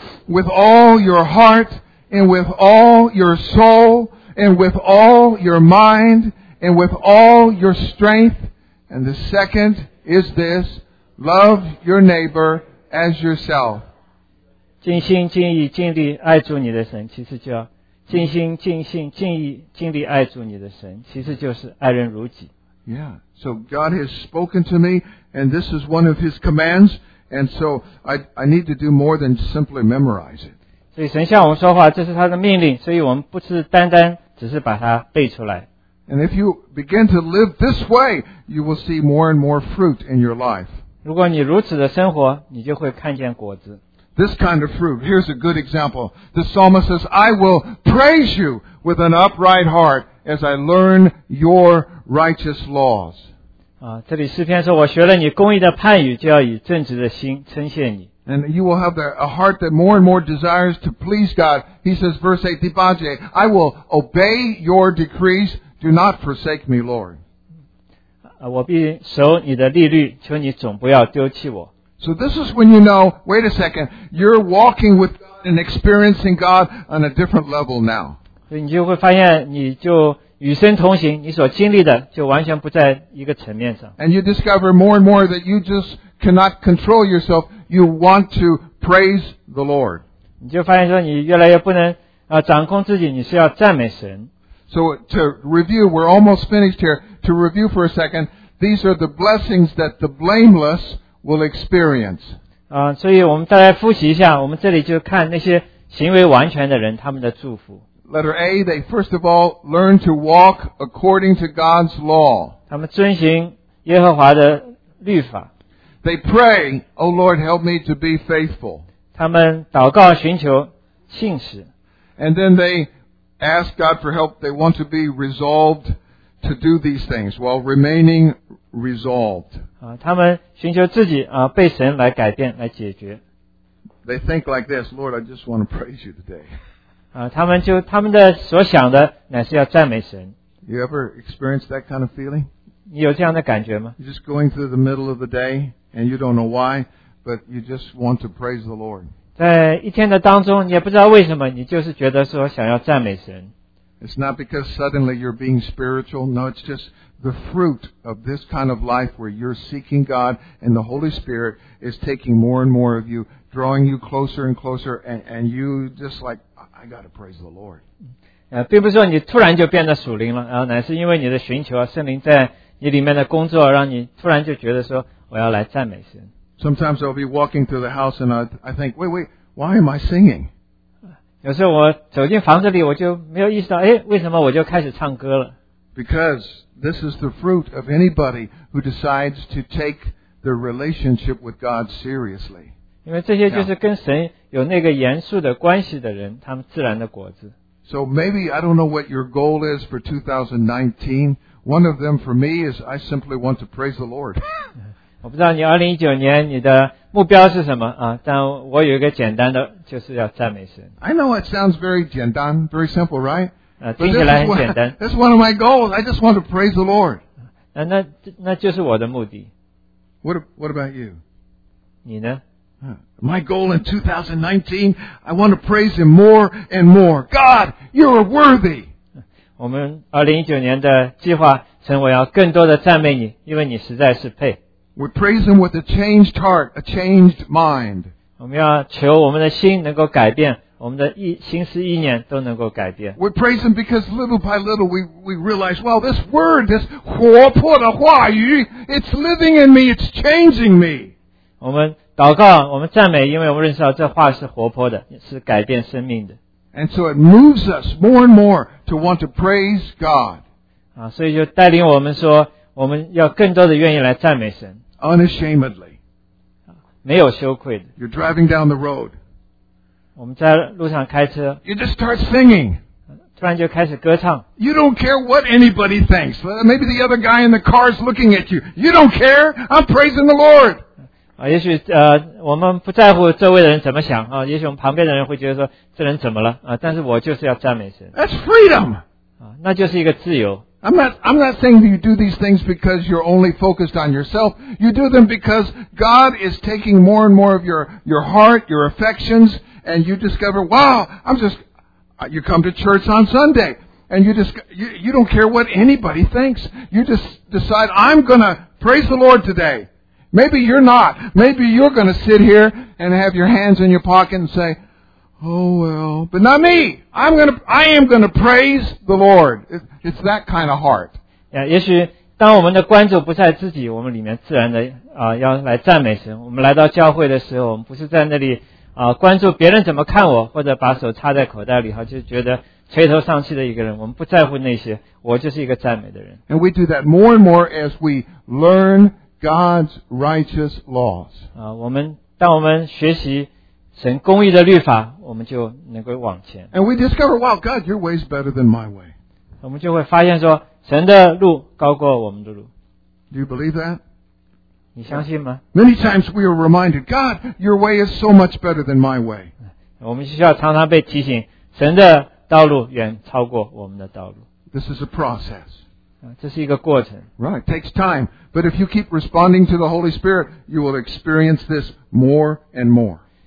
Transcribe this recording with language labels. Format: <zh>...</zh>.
<en>With all your heart, and with all your soul, and with all your mind, and with all your strength. And the second is this, love your neighbor as yourself.</en> <zh>尽心尽意尽力爱住你的神，其实就要尽心尽心尽意尽力爱住你的神，其实就是爱人如己。</zh> <en>Yeah, so God has spoken to me, and this is one of His commands. And so I need to do more than simply memorize it.</en> <zh>所以神向我们说话，这是他的命令，所以我们不是单单只是把它背出来。</zh> <en>And if you begin to live this way, you will see more and more fruit in your life.</en> <zh>如果你如此的生活，你就会看见果子。</zh> <en>This kind of fruit. Here's a good example. The psalmist says, "I will praise you with an upright heart as I learn your righteous laws."</en> <zh>这里诗篇说我学了你公义的判语就要以正直的心称谢你。</zh> <en>And you will have a heart that more and more desires to please God. He says, verse 8, Dibaje, I will obey your decrees. Do not forsake me, Lord.</en> <zh>我必守你的律例求你总不要丢弃我。</zh> <en>So this is when you know, wait a second, you're walking with God and experiencing God on a different level now.</en> <zh>所以你就会发现你就与神同行，你所经历的就完全不在一个层面上。</zh> <en>And you discover more and more that you just cannot control yourself. You want to praise the Lord.</en> <zh>你就发现说你越来越不能掌控自己，你是要赞美神。</zh> <en>So to review, we're almost finished here. To review for a second, these are the blessings that the blameless will experience.</en> <zh>所以我们再来复习一下，我们这里就看那些行为完全的人他们的祝福。</zh> <en>Letter A, they first of all learn to walk according to God's law.</en> <zh>他们遵行耶和华的律法。</zh> <en>They pray, O Lord, help me to be faithful.</en> <zh>他们祷告寻求信实。</zh> <en>And then they ask God for help. They want to be resolved to do these things while remaining resolved.</en> <zh>他们寻求自己被神来改变来解决。</zh> <en>They think like this, Lord, I just want to praise you today.</en> <zh>他们的所想的乃是要赞美神。</zh> <en>You ever experienced that kind of feeling?</en> <zh>你有这样的感觉吗?</zh> <en>You're just going through the middle of the day, and you don't know why, but you just want to praise the Lord.</en> <zh>在一天的当中，你也不知道为什么，你就是觉得说想要赞美神。</zh> <en>It's not because suddenly you're being spiritual. No, it's just the fruit of this kind of life where you're seeking God, and the Holy Spirit is taking more and more of you, drawing you closer and closer, and you just like,I got to praise the Lord.</en> <zh>并不是说你突然就变得属灵了，乃是因为你的寻求，圣灵在你里面的工作，让你突然就觉得说，我要来赞美神。</zh> <en>Sometimes I'll be walking through the house and I think, wait, why am I singing?</en> <zh>有时候我走进房子里，我就没有意识到，为什么我就开始唱歌了？</zh> <en>Because this is the fruit of anybody who decides to take their relationship with God seriously.</en> <zh>因为这些就是跟神有那个严肃的关系的人，他们自然的果子。</zh> <en>So maybe I don't know what your goal is for 2019. One of them for me is I simply want to praise the Lord.</en> <zh>我不知道你2019年你的目标是什么但我有一个简单的，就是要赞美神。</zh> <en>I know it sounds very</en> <zh>简单</zh> <en>very simple, right?</en> <zh>听起来很简单。</zh> <en>That's one of my goals. I just want to praise the Lord.</en> <zh>那就是我的目的。</zh> <en>What about you?</en> <zh>你呢?</zh> <en>My goal in 2019, I want to praise Him more and more. God, You are worthy.</en> <zh>我们2019年的计划，神，我要更多的赞美你，因为你实在是配。</zh> <en>We praise Him with a changed heart, a changed mind.</en> <zh>我们要求我们的心能够改变，我们的心思意念都能够改变。</zh> <en>We praise Him because little by little we realize, well, this word, this</en> <zh>活泼的话语,</zh> <en>it's living in me, it's changing me.</en> <zh>我们祷告，我们赞美，因为我们认识到这话是活泼的，是改变生命的。</zh> <en>And so it moves us more and more to want to praise God.</en> <zh>啊，所以就带领我们说，我们要更多的愿意来赞美神。</zh> <en>Unashamedly.</en> <zh>没有羞愧的。</zh> <en>You're driving down the road.</en> <zh>我们在路上开车。</zh> <en>You just start singing.</en> <zh>突然就开始歌唱。</zh> <en>You don't care what anybody thinks. Maybe the other guy in the car is looking at you. You don't care. I'm praising the Lord.</en> <zh>啊，也许我们不在乎周围的人怎么想啊，也许我们旁边的人会觉得说这人怎么了啊，但是我就是要赞美神。</zh> <en>That's freedom.</en> <zh>啊，那就是一个自由。</zh> <en>I'm not saying that you do these things because you're only focused on yourself. You do them because God is taking more and more of your heart, your affections, and you discover, wow, you come to church on Sunday, and you don't care what anybody thinks. You just decide, I'm gonna praise the Lord today. Maybe you're not. Maybe you're gonna sit here and have your hands in your pocket and say, oh well, but not me. I am gonna praise the Lord. It's that kind of heart.</en> <zh>Yeah, 也许当我们的关注不在自己，我们里面自然的要来赞美神。我们来到教会的时候，我们不是在那里关注别人怎么看我，或者把手插在口袋里哈，就觉得垂头丧气的一个人。我们不在乎那些，我就是一个赞美的人。</zh> <en>And we do that more and more as we learn God's righteous laws.</en> <zh>当我们学习神公义的律法，我们就能够往前。</zh> <en>And we discover, wow, God, Your way is better than my way.</en> <zh>我们就会发现说，神的路高过我们的路。</zh> <en>Do you believe that?</en> <zh>你相信吗？</zh> <en>Many times we are reminded, God, Your way is so much better than my way.</en> <zh>我们需要常常被提醒，神的道路远超过我们的道路。</zh> <en>This is a process.</en> <zh>这是一个过程。</zh> <en>Right, takes time. But if you keep responding to the Holy Spirit, you will experience this more and more.</en>